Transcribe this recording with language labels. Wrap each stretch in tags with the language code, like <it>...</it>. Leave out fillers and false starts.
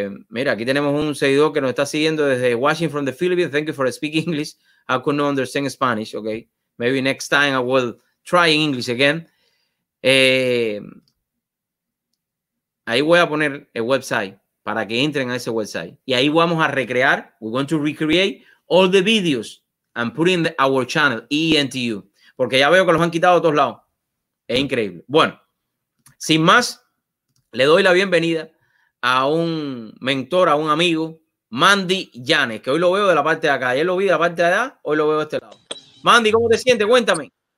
<es>Mira, aquí tenemos un seguidor que nos está siguiendo desde Washington,</es> <en>from the Philippines. Thank you for speaking English. I could not understand Spanish. Okay. Maybe next time I will try English again.</en> <es>Ahí voy a poner el website para que entren a ese website. Y ahí vamos a recrear.</es> <en>We're going to recreate all the videos and put in our channel, ENTU.</en> <es>Porque ya veo que los han quitado de todos lados. Es increíble. Bueno, sin más, le doy la bienvenida a un mentor, a un amigo, Mandy Yanes, que hoy lo veo de la parte de acá. Ayer lo vi de la parte de allá, hoy lo veo de este lado. Mandy, ¿cómo te sientes? Cuéntame.</es>